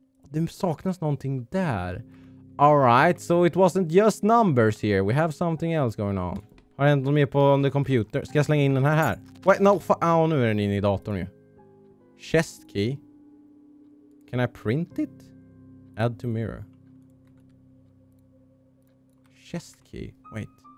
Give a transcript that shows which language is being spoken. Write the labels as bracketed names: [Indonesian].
[Swedish] Det saknas någonting där. [English] All right, so it wasn't just numbers here. We have something else going on. [Swedish] Har jag något mer på under computer? Ska jag slänga in den här? [English] Wait, no. [Swedish] Nu är den inne i datorn ju. [English] Chest key. Can I print it? Add to mirror. Chest key. Wait.